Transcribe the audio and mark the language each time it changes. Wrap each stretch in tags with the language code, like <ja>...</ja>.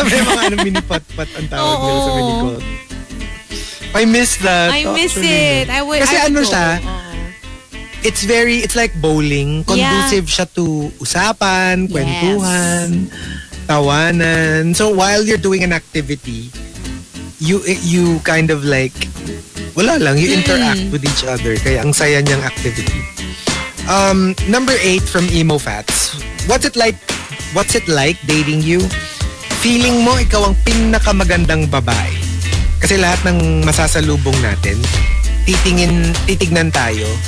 <tl>May mga mini putt-putt ang tawag nila sa mini golf.</tl> <en>I miss that. I miss it. I would,</en> <tl>kasi</tl> <en>I ano siya, it's very, it's like bowling.</en> <tl>Conducive siya to usapan, kwentuhan,</tl> <en>yes,</en> <tl>tawanan.</tl> <en>So while you're doing an activity, you kind of like,</en> <tl>wala lang,</tl> <en>you interact with each other.</en> <tl>Kaya ang saya niyang activity.</tl> <en>Number 8 from Emo Fats. What's it like dating you?</en> <tl>Feeling mo ikaw ang pinakamagandang babae. Kasi lahat ng masasalubong natin, titignan tayo.</tl>